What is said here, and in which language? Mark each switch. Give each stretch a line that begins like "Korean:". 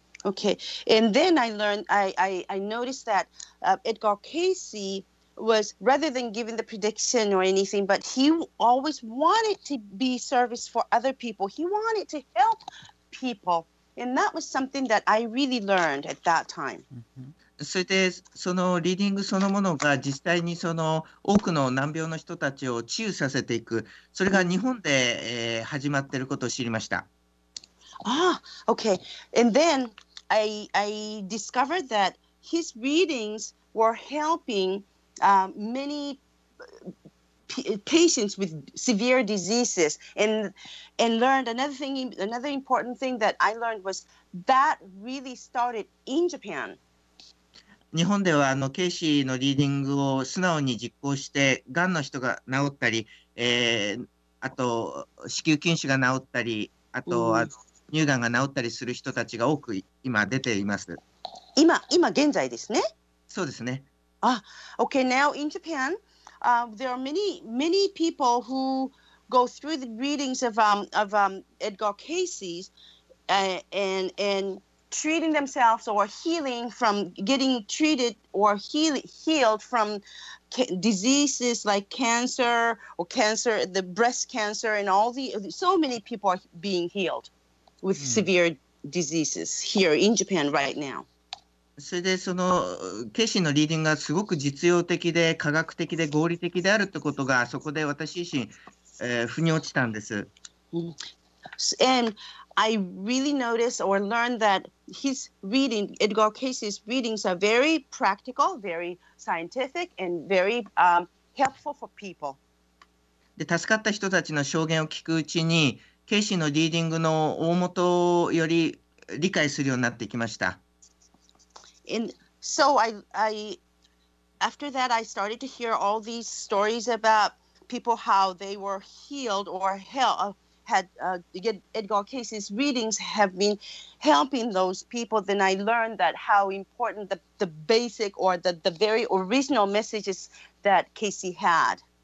English: Okay, and then I noticed that Edgar Casey was rather than giving the prediction or anything, but he always wanted to be service for other people. He wanted to help people. And that was something that I really learned at that time.
Japanese: それでそのリーディングそのものが実際にその多くの難病の人たちを治癒させていく、それが日本で、始まっていることを知りました。
English: Ah, okay. And then I discovered that his readings were helping many patients with severe diseases, and learned another thing. Another important thing that I learned was that really started in Japan.
Japanese: 日本ではケイシーのリーディングを素直に実行して、がんの人が治ったり、あと子宮筋腫が治ったり、あとは乳がんが治ったりする人たちが多く今出ています。今現在ですね。そうですね。
English: Okay, now in Japan. There are many, many people who go through the readings of Edgar Casey's and treating themselves or healing from getting treated or healed from diseases like cancer or cancer, the breast cancer and all the, so many people are being healed with severe diseases here in Japan right now.
Japanese: それでそのケイシーのリーディングがすごく実用的で科学的で合理的であるってことがそこで私自身、腑に落ちたんです。
English: And I really noticed or learned that his reading, Edgar Casey's readings are very practical, very scientific, and very, helpful for people.
Japanese: で助かった人たちの証言を聞くうちにケイシーのリーディングの大元をより理解するようになってきました。
English: And so I after that I started to hear all these stories about people how they were healed or had Edgar Casey's readings have been helping those people. Then I learned that how important the basic or the very original messages that Casey had.